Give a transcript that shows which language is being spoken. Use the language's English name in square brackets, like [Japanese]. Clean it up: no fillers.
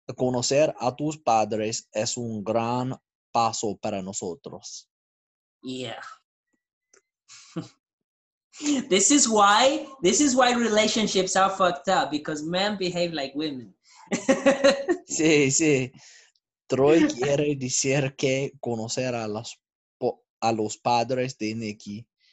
[Spanish] Conocer a tus padres es un gran paso para nosotros. [English] Yeah. This is why relationships are fucked up, because men behave like women. [Spanish] Sí, sí. Troy quiere decir que conocer a los padres de Nikki.